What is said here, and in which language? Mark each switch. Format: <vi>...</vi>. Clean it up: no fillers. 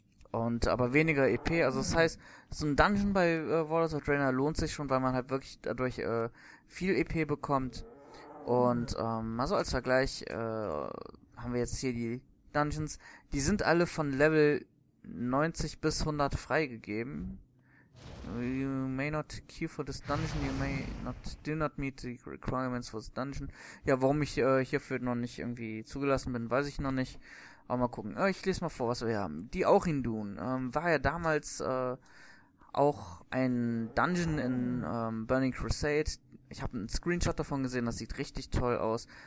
<de>Und aber weniger EP. Also das heißt, so ein Dungeon bei Warlords of Draenor lohnt sich schon, weil man halt wirklich dadurch viel EP bekommt. Und mal so als Vergleich haben wir jetzt hier die Dungeons. Die sind alle von Level 90 bis 100 freigegeben.</de> <en>You may not queue for this dungeon, you may not, do not meet the requirements for this dungeon.</en> <de>Ja, warum ich hierfür noch nicht irgendwie zugelassen bin, weiß ich noch nicht. Aber mal gucken. Ich lese mal vor, was wir haben. Die Aurindun war ja damals auch ein Dungeon in Burning Crusade. Ich habe einen Screenshot davon gesehen, das sieht richtig toll aus.</de>